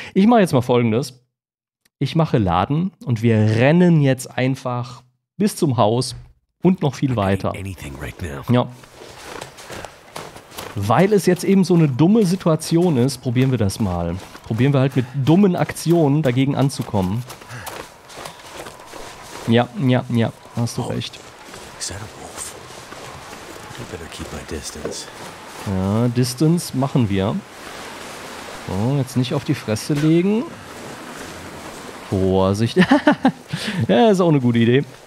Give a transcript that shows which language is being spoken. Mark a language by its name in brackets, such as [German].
[German] Ich mache jetzt mal Folgendes. Ich mache Laden und wir rennen jetzt einfach bis zum Haus und noch viel weiter. Ja. Weil es jetzt eben so eine dumme Situation ist, probieren wir das mal. Probieren wir halt mit dummen Aktionen dagegen anzukommen. Ja. Hast du recht. [English] I better keep my distance. [German] Ja, Distance machen wir. So, jetzt nicht auf die Fresse legen. Vorsicht. Ja, ist auch eine gute Idee.